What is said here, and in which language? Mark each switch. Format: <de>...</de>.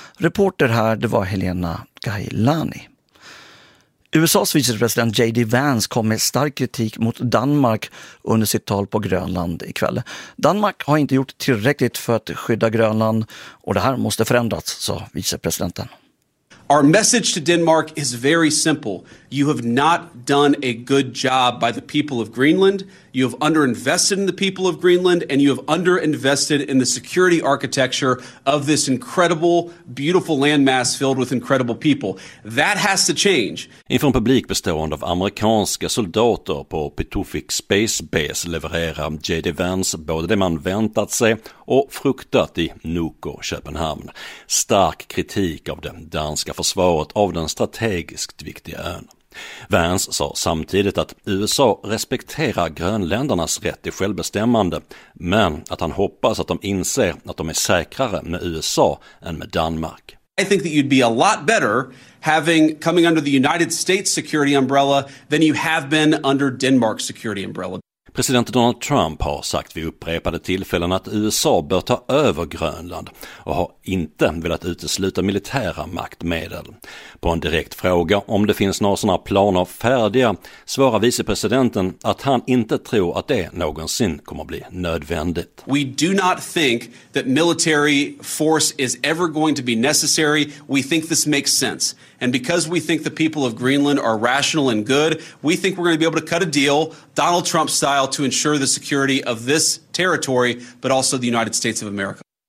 <sv>Reporter här, det var Helena Gailani. USAs vicepresident J.D. Vance kom med stark kritik mot Danmark under sitt tal på Grönland ikväll. Danmark har inte gjort tillräckligt för att skydda Grönland och det här måste förändras, sa vicepresidenten.</sv> <en>Our message to Denmark is very simple. You have not done a good job by the people of Greenland. You have underinvested in the people of Greenland and you have underinvested in the security architecture of this incredible, beautiful landmass filled with incredible people. That has to change.</en> <sv>Inför en publik bestående av amerikanska soldater på Pituffik Space Base levererar J.D. Vance både det man väntat sig och fruktat i Nuuk och Köpenhamn. Stark kritik av det danska försvaret av den strategiskt viktiga ön. Vance sa samtidigt att USA respekterar grönländarnas rätt till självbestämmande, men att han hoppas att de inser att de är säkrare med USA än med Danmark.</sv> <en>I think that you'd be a lot better having coming under the United States security umbrella than you have been under Denmark's security umbrella.</en> <sv>President Donald Trump har sagt vid upprepade tillfällen att USA bör ta över Grönland och har inte velat utesluta militära maktmedel. På en direkt fråga om det finns några sådana planer färdiga svarar vicepresidenten att han inte tror att det någonsin kommer bli nödvändigt.</sv> <en>We do not think that military force is ever going to be necessary. We think this makes sense. And because we think the people of Greenland are rational and good, we think we're going to be able to cut a deal, Donald Trump style, to ensure the security of this territory, but also the United States of America.</en>